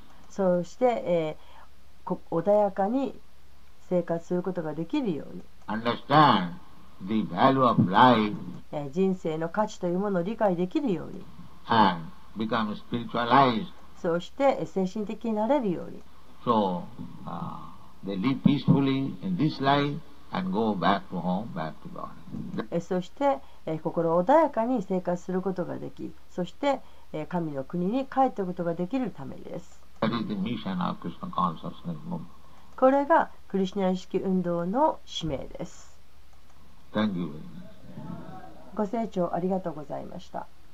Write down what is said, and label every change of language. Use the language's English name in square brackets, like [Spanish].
[Japanese] そして、穏やかに生活することができるように。 [English] Understand the value of life. [Japanese] 人生の価値というものを理解できるように。 [English] And become spiritualized. [Japanese] そして精神的になれるように。 [English] So, they live peacefully in this life. And go back to home, back to God. [Japanese] そして心穏やかに生活することができ、そして神の国に帰ったことができるためです。 [English] That is the mission of Krishna consciousness movement. [Japanese] これがクリシュナ意識運動の使命です。 [English] Thank you very much. [Japanese] ご清聴ありがとうございました。